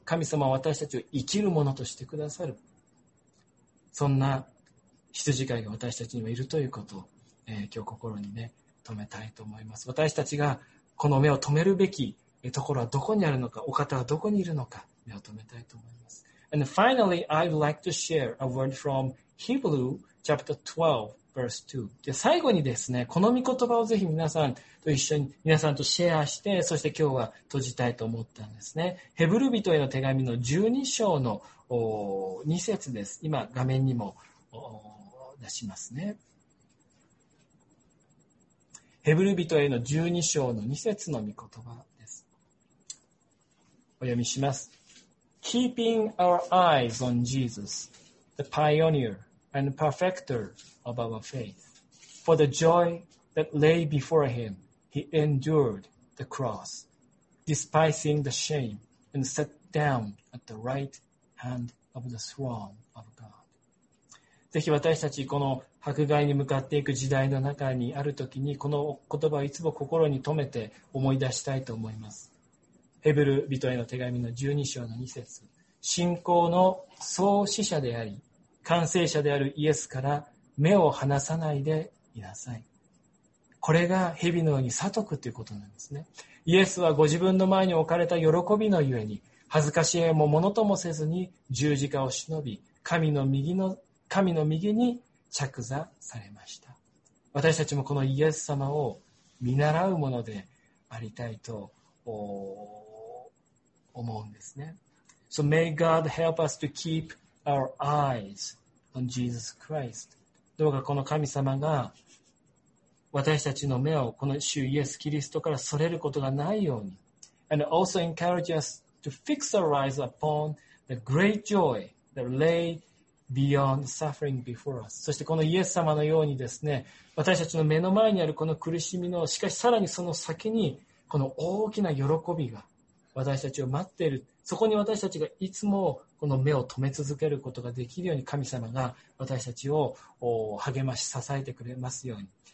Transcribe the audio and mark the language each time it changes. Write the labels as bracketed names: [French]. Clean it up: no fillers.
[Japanese] 神様は私たちを生きるものとしてくださる。そんな羊飼いが私たちにはいるということを、今日心にね、留めたいと思います。私たちがこの目を留めるべきところはどこにあるのか、お方はどこにいるのか、目を留めたいと思います。 [English] And finally, I would like to share a word from Hebrew chapter 12, verse 2. [Japanese] で最後にですね、この御言葉をぜひ皆さんと一緒に、皆さんとシェアして、そして今日は閉じたいと思ったんですね。ヘブル人への手紙の12章の2節です。今、画面にも出しますね。ヘブル人への12章の2節の御言葉です。お読みします。 [English] Keeping our eyes on Jesus, the pioneer and perfecter of our faith, for the joy that lay before him, he endured the cross, despising the shame, and sat down at the right hand of the throne of God. [Japanese] ぜひ私たちこの迫害に向かっていく時代の中にあるときに、この言葉をいつも心に留めて思い出したいと思います。ヘブル人への手紙の12章の2節、信仰の創始者であり、完成者であるイエスから目を離さないでいなさい。これが蛇のように悟くということなんですね。イエスはご自分の前に置かれた喜びのゆえに、恥ずかしげもものともせずに十字架を忍び、神の右に着座されました。私たちもこのイエス様を見習うものでありたいと思うんですね。 [English] So may God help us to keep our eyes on Jesus Christ. [Japanese] どうかこの神様が私たちの目をこの主イエスキリストからそれることがないように。 [English] And also encourage us to fix our eyes upon the great joy that lay beyond suffering before us. [Japanese] そしてこのイエス様のようにですね、私たちの目の前にあるこの苦しみの、しかしさらにその先に、この大きな喜びが私たちを待っている。そこに私たちがいつもこの目を留め続けることができるように、神様が私たちを励まし支えてくれますように。